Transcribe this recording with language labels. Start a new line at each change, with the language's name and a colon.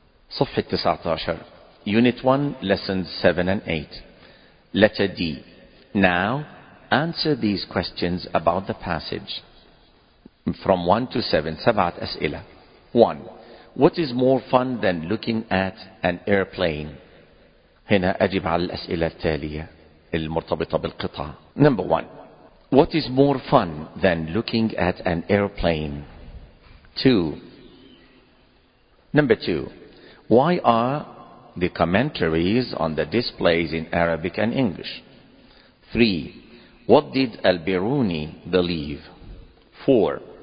English: صفحة 19. Unit 1, Lessons 7 and 8. Letter D. Now, answer these questions about the passage. From 1 to 7, 7 أسئلة. 1. What is more fun than looking at an airplane?
Arabic: هنا أجب على الأسئلة التالية المرتبطة بالقطع.
English: Number 1. What is more fun than looking at an airplane? 2. Number 2. Why are the commentaries on the displays in Arabic and English? 3. What did Al-Biruni believe? 4.